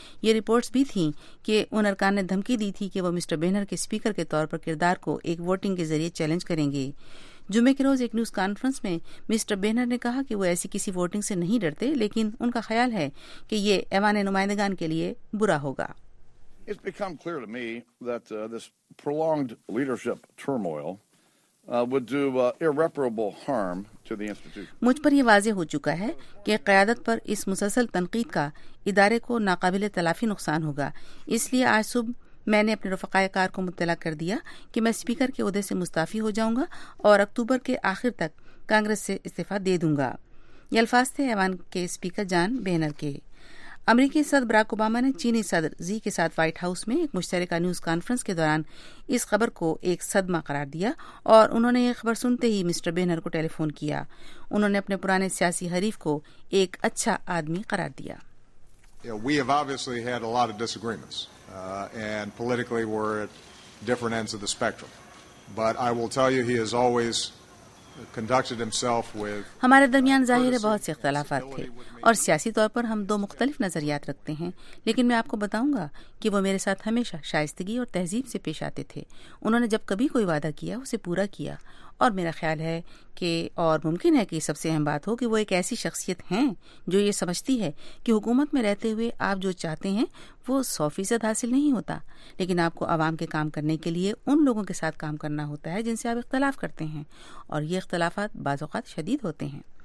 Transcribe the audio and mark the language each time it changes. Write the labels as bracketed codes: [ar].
[ur] یہ رپورٹس بھی تھیں کہ ان ارکان نے دھمکی دی تھی کہ وہ مسٹر بینر کے اسپیکر کے طور پر کردار کو ایک ووٹنگ کے ذریعے چیلنج کریں گے. جمعے کے روز ایک نیوز کانفرنس میں مسٹر بینر نے کہا کہ وہ ایسی کسی ووٹنگ سے نہیں ڈرتے، لیکن ان کا خیال ہے کہ یہ ایوان نمائندگان کے لیے برا ہوگا. [en] It's become clear to me that this prolonged leadership turmoil would do irreparable harm to the institution. [ur] مجھ پر یہ واضح ہو چکا ہے کہ قیادت پر اس مسلسل تنقید کا ادارے کو ناقابل تلافی نقصان ہوگا. اس لیے آج صبح میں نے اپنے رفقاء کار کو مطلع کر دیا کہ میں اسپیکر کے عہدے سے مستعفی ہو جاؤں گا اور اکتوبر کے آخر تک کانگریس سے استعفی دے دوں گا. یہ الفاظ تھے ایوان کے اسپیکر جان بینر کے. امریکی صدر براک اوباما نے چینی صدر زی کے ساتھ وائٹ ہاؤس میں ایک مشترکہ نیوز کانفرنس کے دوران اس خبر کو ایک صدمہ قرار دیا اور انہوں نے یہ خبر سنتے ہی مسٹر بینر کو ٹیلی فون کیا. انہوں نے اپنے پرانے سیاسی حریف کو ایک اچھا آدمی قرار دیا. [en] We have obviously had a lot of disagreements and politically we're at different ends of the spectrum. But I will tell you he has always conducted himself with [ur] ہمارے درمیان ظاہر ہے بہت سے اختلافات تھے اور سیاسی طور پر ہم دو مختلف نظریات رکھتے ہیں، لیکن میں آپ کو بتاؤں گا کہ وہ میرے ساتھ ہمیشہ شائستگی اور تہذیب سے پیش آتے تھے. انہوں نے جب کبھی کوئی وعدہ کیا اسے پورا کیا، اور میرا خیال ہے کہ اور ممکن ہے کہ سب سے اہم بات ہو کہ وہ ایک ایسی شخصیت ہیں جو یہ سمجھتی ہے کہ حکومت میں رہتے ہوئے آپ جو چاہتے ہیں وہ 100% حاصل نہیں ہوتا، لیکن آپ کو عوام کے کام کرنے کے لیے ان لوگوں کے ساتھ کام کرنا ہوتا ہے جن سے آپ اختلاف کرتے ہیں، اور یہ اختلافات بعض اوقات شدید ہوتے ہیں.